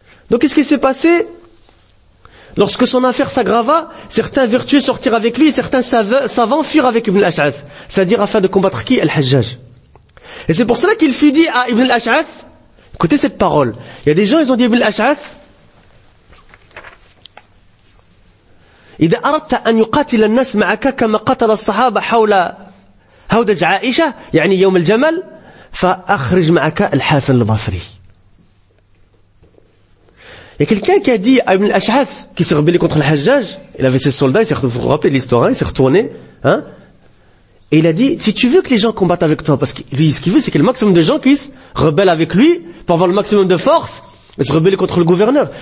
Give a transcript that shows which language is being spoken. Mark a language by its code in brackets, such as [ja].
[fr] Donc qu'est-ce qui s'est passé? Lorsque son affaire s'aggrava, certains vertueux sortirent avec lui et certains savants furent avec Ibn al-Ash'ath. C'est-à-dire afin de combattre qui? Al-Hajjaj. Et c'est pour cela qu'il fut dit à Ibn al-Ash'ath, écoutez cette parole. Il y a des gens, ils ont dit Ibn al-Ash'ath, [ar] إذا أردت أن يقاتل الناس معك كما قتل الصحابة حول هودج عائشة يعني يوم الجمل فأخرج معك الحسن البصري. [fr] Il y a quelqu'un qui a dit à Ibn al-Ash'ath, qui s'est rebellé contre Al-Hajjaj, il avait ses soldats, il s'est retourné, vous rappelez l'histoire, hein, il s'est retourné, hein. Et il a dit, si tu veux que les gens combattent avec toi, parce que lui, ce qu'il veut, c'est qu'il y ait le maximum de gens qui se rebellent avec lui, pour avoir le maximum de force, et se rebeller contre le gouverneur.